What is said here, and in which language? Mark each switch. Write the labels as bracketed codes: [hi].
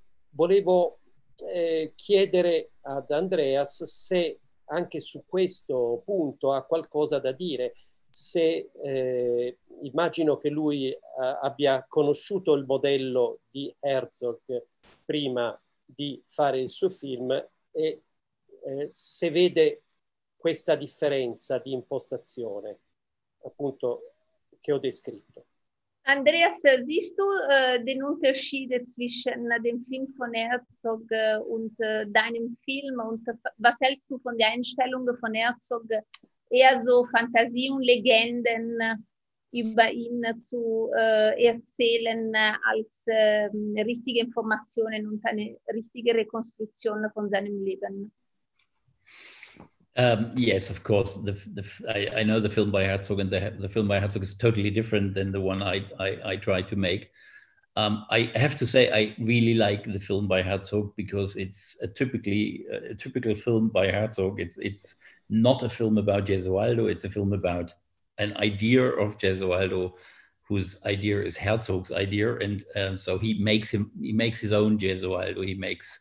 [it] Volevo chiedere ad Andreas se anche su questo punto ha qualcosa da dire, se immagino che lui abbia conosciuto il modello di Herzog prima di fare il suo film, e se vede questa differenza di impostazione, appunto, che ho descritto. [de] Andreas, siehst du den Unterschied zwischen dem Film von Herzog und deinem Film? Und was hältst du von der Einstellung von Herzog, eher so Fantasie und Legenden über ihn zu erzählen, als richtige Informationen und eine richtige Rekonstruktion von seinem Leben? [en] Yes, of course. I know the film by Herzog, and the film by Herzog is totally different than the one I try to make. I have to say I really like the film by Herzog because it's a typical film by Herzog. It's not a film about Gesualdo. It's a film about an idea of Gesualdo, whose idea is Herzog's idea, and so he makes his own Gesualdo.